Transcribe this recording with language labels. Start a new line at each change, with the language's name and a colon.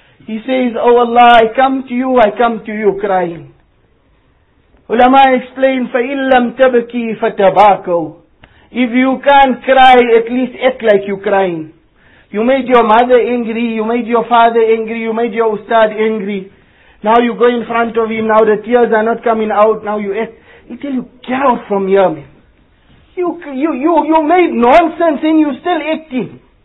English: He says, oh Allah, I come to you crying. Ulama explained,
Arabic: فَإِن لَمْ تَبْكِي فَتَبَاكَوْ.
English: If you can't cry, at least act like you're crying. You made your mother angry, you made your father angry, you made your ustad angry. Now you go in front of him, now the tears are not coming out, now you ask. He tell you, get out from here, man. You made nonsense and you still acting.